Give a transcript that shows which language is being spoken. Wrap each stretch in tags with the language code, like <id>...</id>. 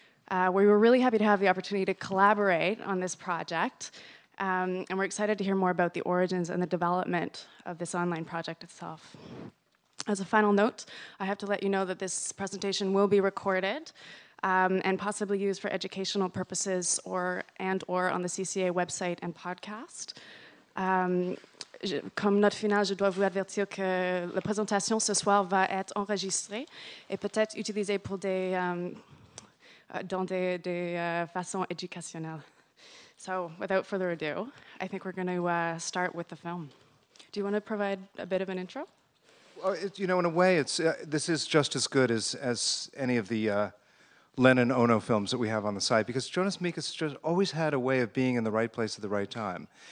<en>We were really happy to have the opportunity to collaborate on this project, and we're excited to hear more about the origins and the development of this online project itself. As a final note, I have to let you know that this presentation will be recorded and possibly used for educational purposes or on the CCA website and podcast.</en> <fr>Comme note finale, je dois vous avertir que la présentation ce soir va être enregistrée et peut-être utilisée pour des... dans des façons éducationnelles.</fr> <en>So, without further ado, I think we're going to start with the film. Do you want to provide a bit of an intro? Well, in a way, this is just as good as any of the Lennon Ono films that we have on the site, because Jonas Mekas just always had a way of being in the right place at the right time.</en>